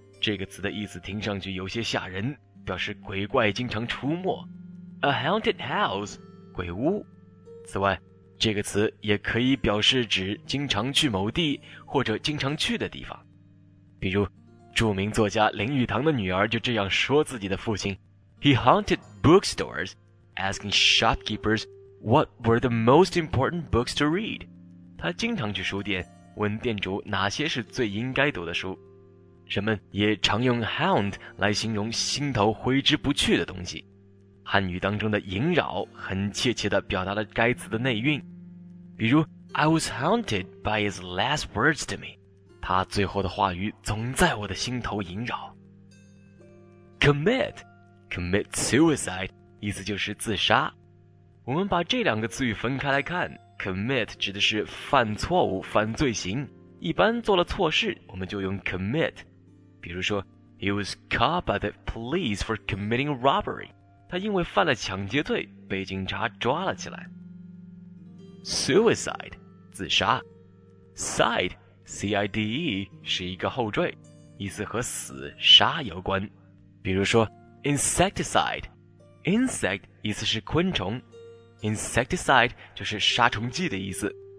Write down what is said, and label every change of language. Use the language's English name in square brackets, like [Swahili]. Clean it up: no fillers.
[Chinese] 这个词的意思听上去有些吓人，表示鬼怪经常出没。 [English] A haunted house [Chinese] 鬼屋。此外，这个词也可以表示指经常去某地或者经常去的地方。比如，著名作家林语堂的女儿就这样说自己的父亲 [English] ：He haunted bookstores, asking shopkeepers what were the most important books to read. [Chinese] 他经常去书店，问店主哪些是最应该读的书。人们也常用 hound 来形容心头挥之不去的东西。汉语当中的萦绕很切切地表达了该词的内蕴。 [English] 比如 I was haunted by his last words to me. [Chinese] 他最后的话语总在我的心头萦绕。 [English] Commit suicide [Chinese] 意思就是自杀。我们把这两个词语分开来看， commit 指的是犯错误犯罪行。一般做了错事我们就用 commit， 比如说 [English] He was caught by the police for committing a robbery， [Chinese] 他因为犯了抢劫罪被警察抓了起来。 [English] Suicide [Chinese] 自杀， [English] Side [Chinese] C-I-D-E 是一个后缀，意思和死、杀有关。比如说 insecticide， insect 意思是昆虫， insecticide 就是杀虫剂的意思。